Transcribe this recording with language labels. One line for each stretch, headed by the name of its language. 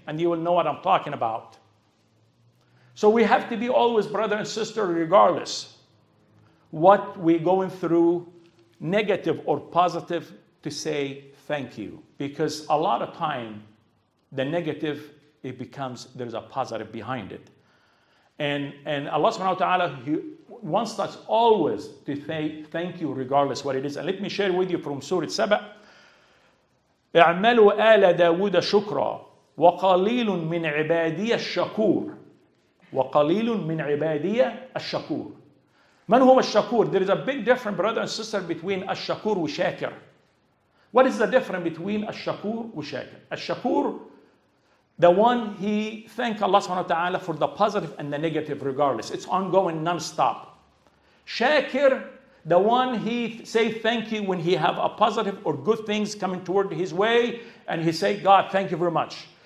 English: And you will know what I'm talking about. So we have to be always brother and sister, regardless what we're going through, negative or positive, to say thank you. Because a lot of time, the negative, it becomes, there's a positive behind it. And Allah subhanahu wa ta'ala, he wants us always to say thank you, regardless what it is. And let me share with you from Surah Saba.
Arabic: اعملوا آل داود شكرا وقليل من عبادي الشكور وقليل من عبادي الشكور. من هو الشكور؟
English: There is a big difference, brother and sister, between
Arabic: الشكور وشاكر.
English: What is the difference between
Arabic: الشكور وشاكر؟
English: الشكور, the one he thank Allah subhanahu wa ta'ala for the positive and the negative regardless. It's ongoing, non-stop. شاكر, the one he say thank you when he have a positive or good things coming toward his way, and he say, God, thank you very much.